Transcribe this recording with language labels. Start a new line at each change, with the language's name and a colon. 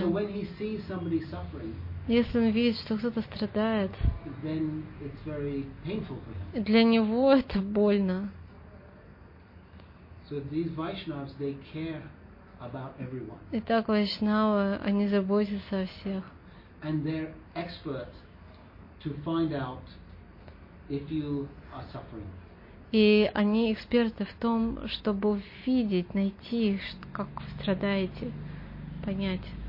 English: So when he sees somebody suffering,
Russian: если он видит, что кто-то страдает,
English: then it's very painful for him.
Russian: Для него это больно.
English: So these Vaishnavas, they care about everyone.
Russian: Итак, вайшнавы, они заботятся о всех.
English: And they're expert to find out if you are suffering.
Russian: И они эксперты в том, чтобы видеть, найти, как вы страдаете, понять.